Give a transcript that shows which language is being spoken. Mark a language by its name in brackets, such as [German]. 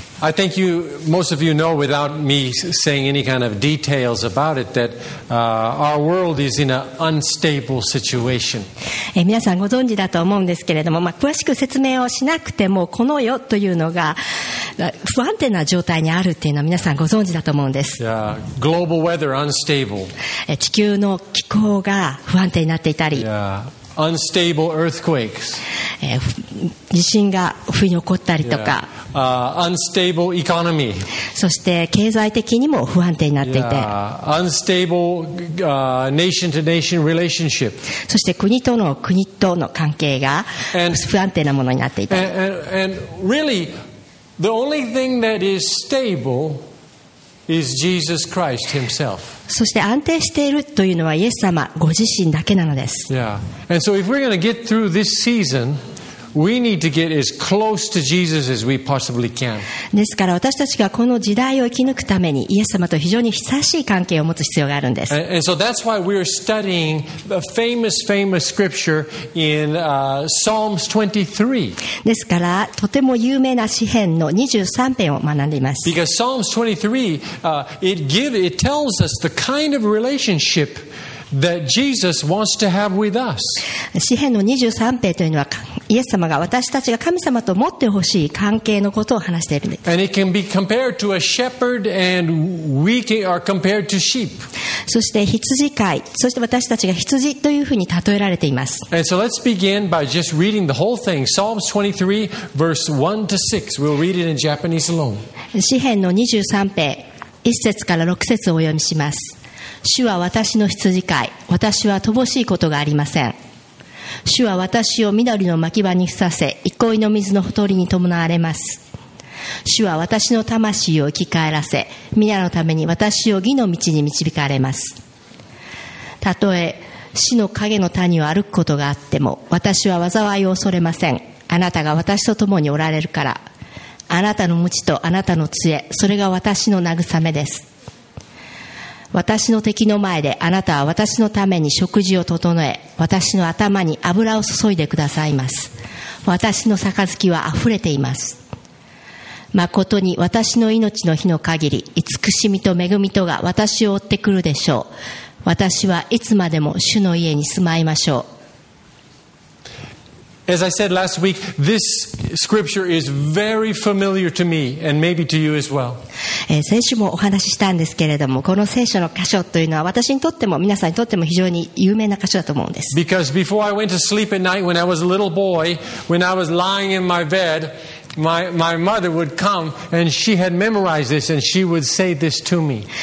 [English] I think you, most of you know, without me saying any kind of details about it, that our world is in an unstable situation. [Japanese] 皆さんご存知だと思うんですけれども、まあ、詳しく説明をしなくてもこの世というのが不安定な状態にあるというのは皆さんご存知だと思うんです。 [English] Global weather unstable. [Japanese] 地球の気候が不安定になっていたり。 [English] Unstable earthquakes. [Japanese] 地震が不意に起こったりとか。 [English] Unstable economy. [Japanese] そして経済的にも不安定になっていて。 [English] Unstable nation to nation relationship. [Japanese] そして国との関係が不安定なものになっていて。 [English] And really, the only thing that is stable is Jesus Christ himself. [Japanese] そして安定しているというのはイエス様ご自身だけなのです。 [English] And so if we're going to get through this season, we need to get as close to Jesus as we possibly can. [Japanese] ですから私たちがこの時代を生き抜くためにイエス様と非常に親しい関係を持つ必要があるんです。 [English] And so that's why we are studying a famous scripture in Psalms 23. [Japanese] ですからとても有名な詩篇の23篇を学んでいます。 [English] Because Psalms 23, it tells us the kind of relationship that Jesus wants to have with us. [Japanese] 詩篇の23篇というのはイエス様が私たちが神様と持ってほしい関係のことを話しているんです。 [English] And it can be compared to a shepherd and we are compared to sheep. [Japanese] そして羊飼い、そして私たちが羊というふうに例えられています。 [English] And so let's begin by just reading the whole thing. Psalms 23, verse 1 to 6. We'll read it in Japanese alone. [Japanese] 詩篇の23篇、1節から6節をお読みします。主は私の羊飼い、私は乏しいことがありません。主は私を緑の牧場にふさせ、憩いの水のほとりに伴われます。主は私の魂を生き返らせ、皆のために私を義の道に導かれます。たとえ死の影の谷を歩くことがあっても、私は災いを恐れません。あなたが私と共におられるから。あなたの鞭とあなたの杖、それが私の慰めです。私の敵の前であなたは私のために食事を整え、私の頭に油を注いでくださいます。私の杯は溢れています。まことに私の命の日の限り、慈しみと恵みとが私を追ってくるでしょう。私はいつまでも主の家に住まいましょう。 [English] As I said last week, this scripture is very familiar to me and maybe to you as well. [Japanese] 先週もお話ししたんですけれども、この聖書の箇所というのは私にとっても皆さんにとっても非常に有名な箇所だと思うんです。 [English] Because before I went to sleep at night when I was a little boy, when I was lying in my bed, my mother would come and she had memorized this and she would say this to me.